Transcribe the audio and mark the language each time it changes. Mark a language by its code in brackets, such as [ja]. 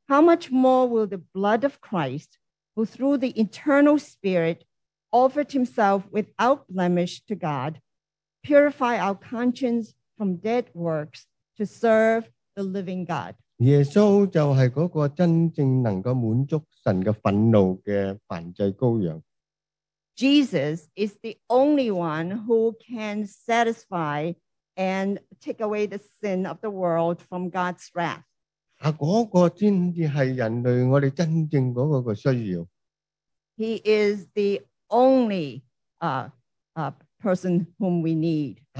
[en] How much more will the blood of Christ, who through the eternal Spirit offered himself without blemish to God, purify our conscience from dead works to serve the living God. [zh] 耶稣就是那个真正能够满足神的愤怒的犯罪羔羊。 [en] Jesus is the only one who can satisfy and take away the sin of the world from God's wrath. [zh] 那个才是人类我们真正的需要。 [en] He is the only person whom we need.